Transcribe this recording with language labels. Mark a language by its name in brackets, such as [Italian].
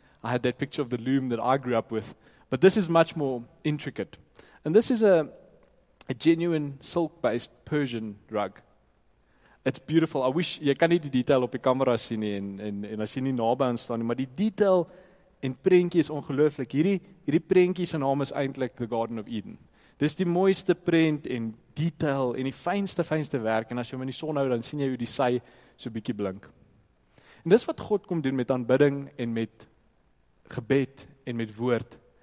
[English] I had that picture of the loom that I grew up with. But this is much more intricate. And this is a genuine silk-based Persian rug. It's beautiful. I wish, [Afrikaans] jy kan nie die detail op die kamera sien nie, en as jy nie naby aan staan nie, maar die detail en prentjie is ongelooflik. Hierdie prentjie se naam is eintlik the Garden of Eden. Dis die mooiste prent en detail en die fynste werk. En as jy hom in die son hou, dan sien jy hoe die sy so bietjie blink. En dis wat God kom doen met aanbidding en met gebed en met woord.